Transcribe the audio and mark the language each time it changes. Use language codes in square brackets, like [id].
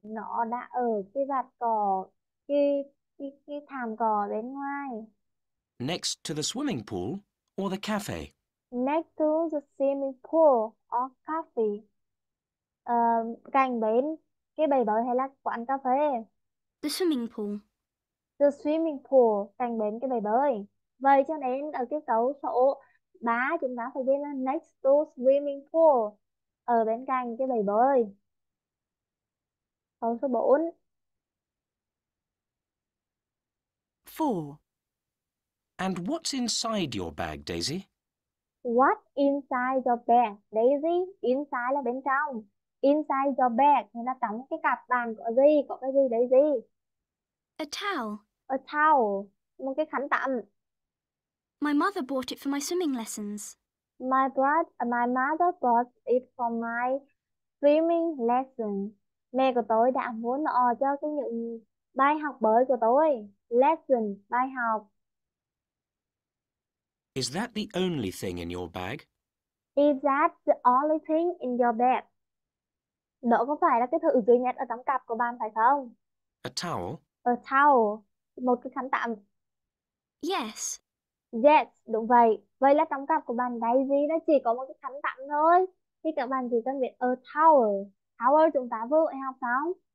[vi] Nó đã ở cái vạt cỏ, cái thảm cỏ bên ngoài. [en] Next to the swimming pool or the cafe? Next to the swimming pool or cafe. [vi] Cạnh bên cái bể bơi hay là quán cà phê? [en] The swimming pool. The swimming pool, [vi] cạnh bên cái bể bơi. Vậy cho nên ở cái câu số 3 chúng ta phải ghi là [en] next to swimming pool. [vi] Ở bên cạnh cái bể bơi. Câu số 4. 4. [en] And what's inside your bag, Daisy? What inside your bag, Daisy? [vi] Inside là bên trong. [en] Inside your bag [vi] nghĩa là trong cái cặp bàn có gì? Có cái gì, Daisy? [en] A towel. A towel. [vi] Một cái khăn tắm. [en] My mother bought it for my swimming lessons. My mother bought it for my swimming lesson. [vi] Mẹ của tôi đã mua nó cho cái những bài học bơi của tôi. Lesson, bài học. [en] Is that the only thing in your bag? Is that the only thing in your bag? [vi] Đó có phải là cái thứ duy nhất ở trong cặp của bạn phải không? [en] A towel? A towel, [vi] một cái khăn tắm. [en] Yes. [vi] Yes, đúng vậy. Vậy là trong cặp của bạn Daisy nó chỉ có một cái khăn tắm thôi. Thì các bạn chỉ cần biết a towel. Towel chúng ta vừa học xong.